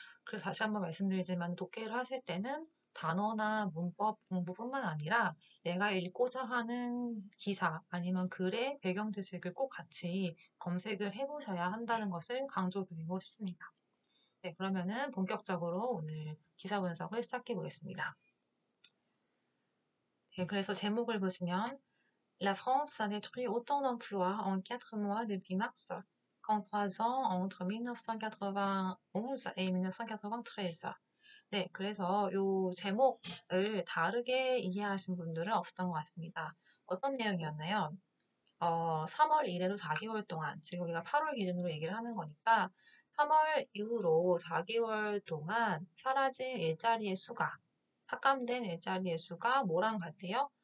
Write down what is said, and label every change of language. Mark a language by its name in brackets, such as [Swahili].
[Korean] 그래서 다시 한번 말씀드리지만 독해를 하실 때는 단어나 문법 공부뿐만 아니라 내가 읽고자 하는 기사 아니면 글의 배경 지식을 꼭 같이 검색을 해보셔야 한다는 것을 강조드리고 싶습니다. 네, 그러면은 본격적으로 오늘 기사 분석을 시작해 보겠습니다. 네, 그래서 제목을 보시면 [French] La France a détruit autant d'emplois en 4 mois depuis mars qu'en 3 ans entre 1991 et 1993. [Korean] 네, 그래서 요 제목을 다르게 이해하신 분들은 없었던 것 같습니다. 어떤 내용이었나요? 3월 이래로 4개월 동안, 지금 우리가 8월 기준으로 얘기를 하는 거니까 3월 이후로 4개월 동안 사라진 일자리의 수가, 삭감된 일자리의 수가 뭐랑 같대요?